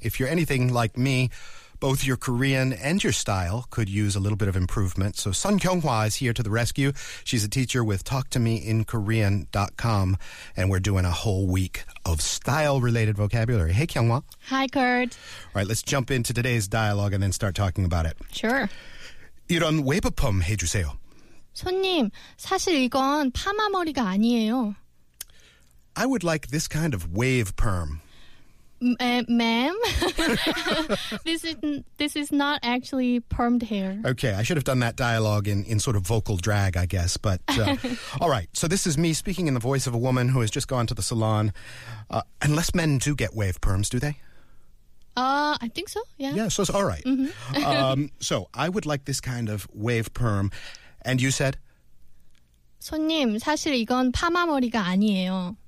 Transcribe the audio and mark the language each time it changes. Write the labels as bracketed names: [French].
[English] If you're anything like me, both your Korean and your style could use a little bit of improvement. So Sun Kyung-hwa is here to the rescue. She's a teacher with TalkToMeInKorean.com, and we're doing a whole week of style-related vocabulary. Hey, Kyung-hwa. Hi, Kurt. All right, let's jump into today's dialogue and then start talking about it. Sure. [Korean] 이런 웨이브펌 해주세요. 손님, 사실 이건 파마머리가 아니에요. [English] I would like this kind of wave perm. Ma'am, this is not actually permed hair. Okay, I should have done that dialogue in sort of vocal drag, I guess. But all right, so this is me speaking in the voice of a woman who has just gone to the salon. Unless men do get wave perms, do they? I think so, yeah. Yeah, so it's all right. Mm-hmm. So I would like this kind of wave perm. And you said? [Korean] 손님, 사실 이건 파마머리가 아니에요.